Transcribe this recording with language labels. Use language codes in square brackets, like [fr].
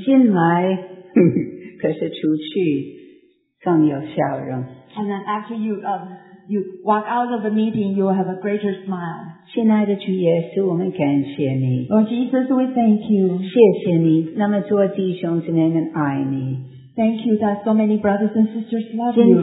[zh] 进来可是出去更有笑容 [en] And then after you walk out of the meeting, you will have a greater smile. [zh] 亲爱的主耶稣，我们感谢你。 [en] Lord Jesus, we thank you. [zh] 谢谢你，那么多弟兄姊妹们爱你。 [en] Thank you that so many brothers and sisters love you.